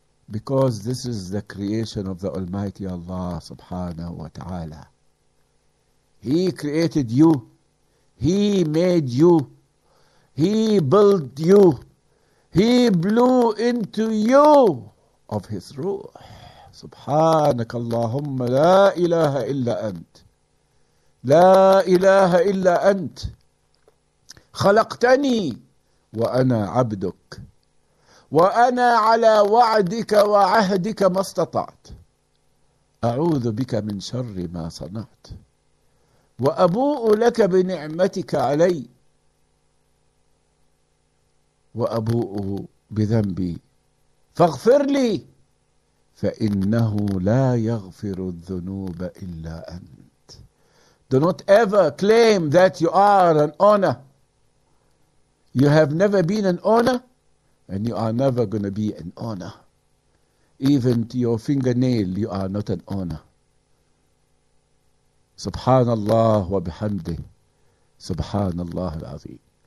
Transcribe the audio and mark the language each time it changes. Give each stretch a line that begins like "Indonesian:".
English: Because this is the creation of the Almighty Allah subhanahu wa ta'ala. He created you. He made you. He built you. He blew into you of his ruh.
Arabic: سبحانك اللهم لا إله إلا أنت لا إله إلا أنت خلقتني وأنا عبدك وأنا على وعدك وعهدك ما استطعت أعوذ بك من شر ما صنعت وأبوء لك بنعمتك علي وأبوء بذنبي فاغفر لي فإنه لا يغفر الذنوب إلا أنت.
English: Do not ever claim that you are an owner. You have never been an owner, and you are never going to be an owner. Even to your fingernail, you are not an owner.
Arabic: سبحان الله وبحمده سبحان الله العظيم.